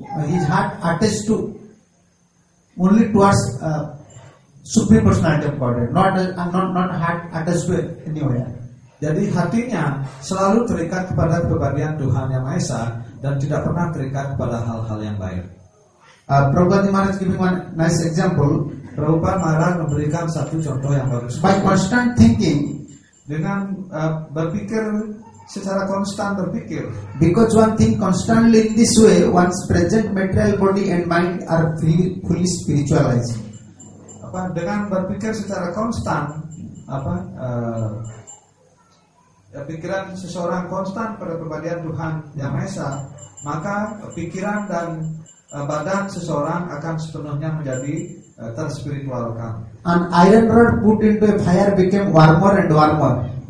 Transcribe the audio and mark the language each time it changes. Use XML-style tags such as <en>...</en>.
<en>His heart attached to only towards Supreme Personality of Godhead, not heart attached to anywhere.</en> <id>Jadi hatinya selalu terikat kepada kepribadian Tuhan Yang Maha Esa dan tidak pernah terikat kepada hal-hal yang lain.</id> <en>Prabhupada Maharaj giving one nice example.</en> <id>Prabhupada Maharaj memberikan satu contoh yang bagus.</id> <en>By constant thinking,</en> <id>dengan berpikir secara konstan berpikir.</id> <en>Because one think constantly in this way, one's present material body and mind are fully spiritualized.</en> <id>Apa dengan berpikir secara konstan? Apa? Ya, pikiran seseorang konstan pada kepribadian Tuhan Yang Maha Esa, maka pikiran dan badan seseorang akan sepenuhnya menjadi terspiritualkan.</id> <en>An iron rod put into a fire became warmer and warmer.</en>